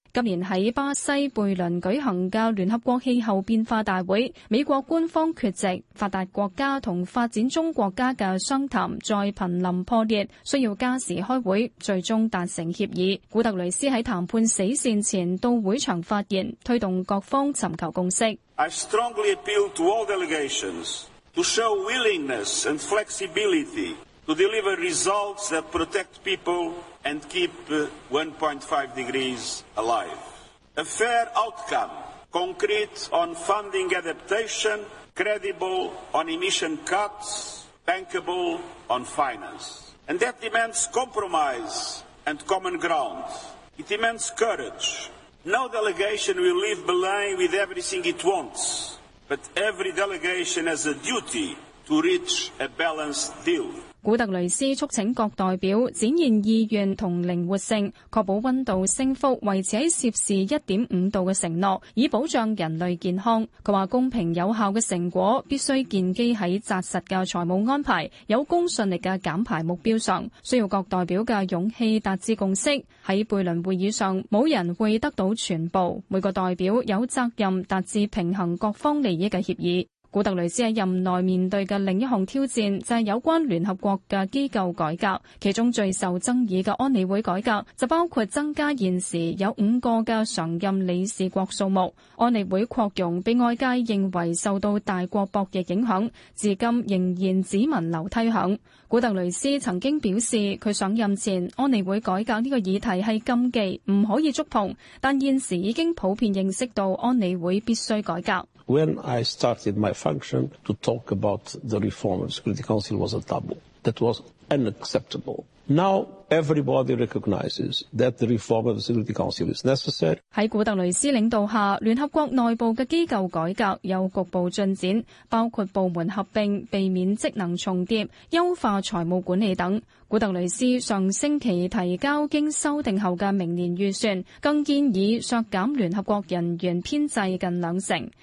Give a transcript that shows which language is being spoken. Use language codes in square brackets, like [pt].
[zh] 今年在巴西贝伦举行的联合国气候变化大会，美国官方缺席，发达国家和发展中国家的商谈再频临破裂，需要加时开会，最终达成协议。古特雷斯在谈判死线前到会场发言，推动各方寻求共识。 [en] I strongly appeal to all delegations to show willingness and flexibility to deliver results that protect people and keep 1.5 degrees alive. A fair outcome, concrete on funding adaptation, credible on emission cuts, bankable on finance. And that demands compromise and common ground. It demands courage. No delegation will leave Belém with everything it wants, but every delegation has a duty to reach a balanced deal. [zh] 古特雷斯促请各代表展现意愿和灵活性，确保温度升幅维持在摄氏 1.5 度的承诺，以保障人类健康。他说公平有效的成果必须建基在扎实的财务安排、有公信力的减排目标上，需要各代表的勇气达至共识。在贝伦会议上，没有人会得到全部，每个代表有责任达至平衡各方利益的协议。古特雷斯在任内面对的另一项挑战，就是有关联合国的机构改革，其中最受争议的安理会改革就包括增加现时有五个的常任理事国数目。安理会扩容被外界认为受到大国博弈影响，至今仍然只闻楼梯响。古特雷斯曾经表示，他上任前安理会改革这个议题是禁忌，不可以触碰，但现时已经普遍认识到安理会必须改革。 [en] When I started my function to talk about the reform of the Security Council was a taboo. That was unacceptable. Now everybody recognizes that the reform of the Security Council is necessary. [zh] 在古特雷斯领导下，联合国内部的机构改革有局部进展，包括部门合并、避免职能重叠、优化财务管理等。古特雷斯上星期提交经修订后的明年预算，更建议削减联合国人员编制近两成。